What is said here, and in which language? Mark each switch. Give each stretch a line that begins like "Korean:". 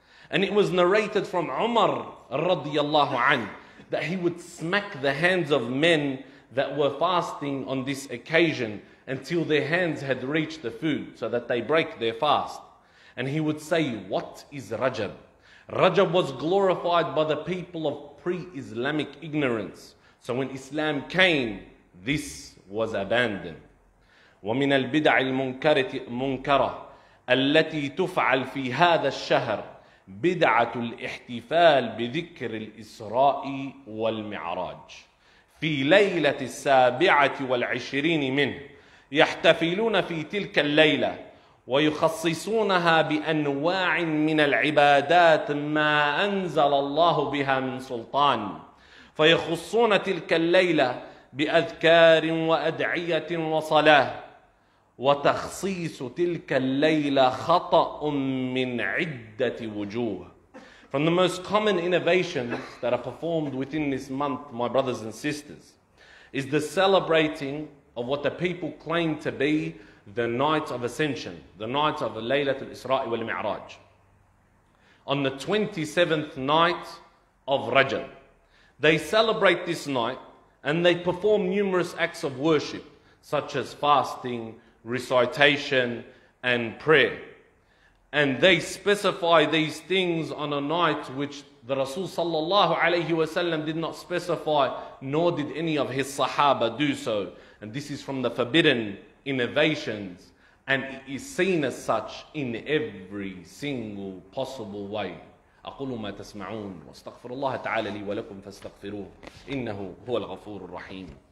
English: And it was narrated from Umar radiyallahu anhu that he would smack the hands of men that were fasting on this occasion until their hands had reached the food so that they break their fast. And he would say, "What is Rajab?" Rajab was glorified by the people of pre-Islamic ignorance. So when Islam came, this was abandoned.
Arabic: وَمِنَ الْبِدْعِ الْمُنْكَرَةِ الَّتِي تُفْعَلْ فِي هَذَا الشَّهْرِ بِدْعَةُ الْإِحْتِفَالِ بِذِكْرِ الْإِسْرَاءِ وَالْمِعْرَاجِ فِي لَيْلَةِ السَّابِعَةِ وَالْعِشْرِينِ مِنْهِ يَحْتَفِلُونَ فِي تِلْكَ اللَّيْلَةِ ويخصصونها بأنواع من العبادات ما أنزل الله بها من سلطان فيخصون تلك الليلة بأذكار وأدعية وصلاة وتخصيص تلك الليلة خطأ من عدة وجوه.
English: From the most common innovations that are performed within this month, my brothers and sisters, is the celebrating of what the people claim to be the night of ascension, the night of the Laylat al-Isra'i wal-Mi'raj, on the 27th night of Rajab. They celebrate this night and they perform numerous acts of worship, such as fasting, recitation, and prayer. And they specify these things on a night which the Rasul sallallahu alayhi wa sallam did not specify, nor did any of his Sahaba do so. And this is from the forbidden innovations, and it is seen as such in every single possible way.
Arabic: أقول ما تسمعون واستغفر الله تعالى لي ولكم فاستغفروه إنه هو الغفور الرحيم.